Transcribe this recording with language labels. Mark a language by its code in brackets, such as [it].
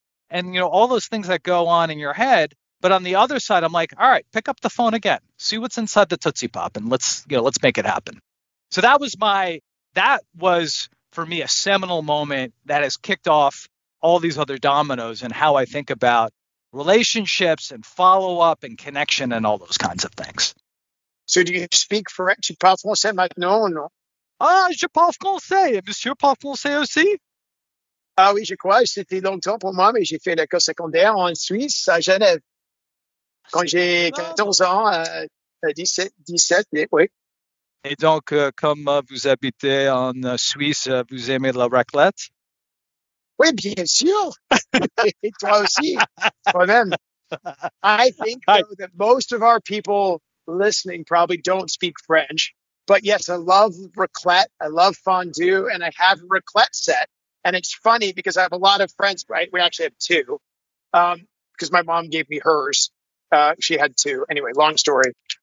[en] And you know, all those things that go on in your head. But on the other side, I'm like, all right, pick up the phone again, see what's inside the Tootsie Pop, and let's, you know, let's make it happen. So that was my, that was for me a seminal moment that has kicked off all these other dominoes and how I think about relationships and follow-up and connection and all those kinds of things. So do you speak French? [fr] Je parle français maintenant ou non? Ah, je parle français. Monsieur parle français aussi? Ah oui, je crois. C'était longtemps pour moi, mais j'ai fait l'école secondaire en Suisse, à Genève. Quand j'ai 14 ans, 17, oui. Et donc, comme vous habitez en Suisse, vous aimez la raclette? Oui, bien sûr. Et toi aussi, toi-même. [en] I think though, that most of our people listening probably don't speak French. But yes, I love raclette. I love fondue. And I have a raclette set. And it's funny because I have a lot of friends, right? We actually have two. Because my mom gave me hers. She had two. Anyway, long story.